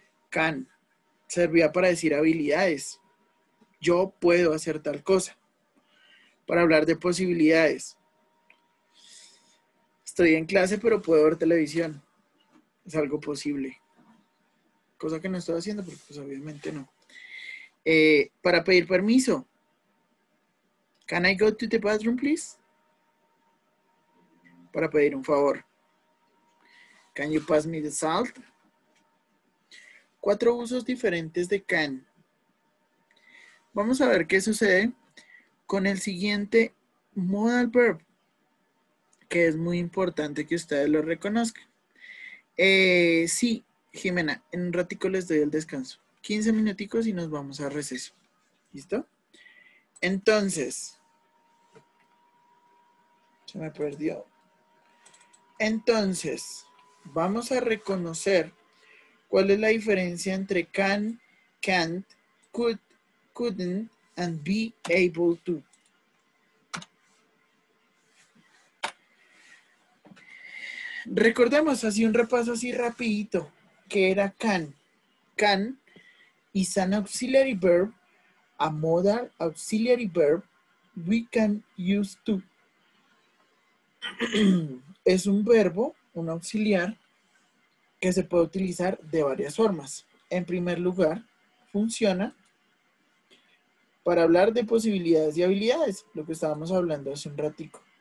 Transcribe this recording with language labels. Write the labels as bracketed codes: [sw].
[es] Can servía para decir habilidades. Yo puedo hacer tal cosa. Para hablar de posibilidades. Estoy en clase, pero puedo ver televisión. Es algo posible. Cosa que no estoy haciendo, porque pues, obviamente no. Para pedir permiso. [en] Can I go to the bathroom, please? [es] Para pedir un favor. [en] Can you pass me the salt? [es] Cuatro usos diferentes de can. Vamos a ver qué sucede con el siguiente modal verb, que es muy importante que ustedes lo reconozcan. Sí, Jimena, en un ratico les doy el descanso. 15 minuticos y nos vamos a receso. ¿Listo? Entonces, se me perdió. Entonces, vamos a reconocer cuál es la diferencia entre can, can't, could, couldn't, and be able to. Recordemos así un repaso así rapidito, que era can. [en] Can is an auxiliary verb, a modal auxiliary verb we can use to. [es] Es un verbo, un auxiliar, que se puede utilizar de varias formas. En primer lugar, funciona para hablar de posibilidades y habilidades, lo que estábamos hablando hace un ratico.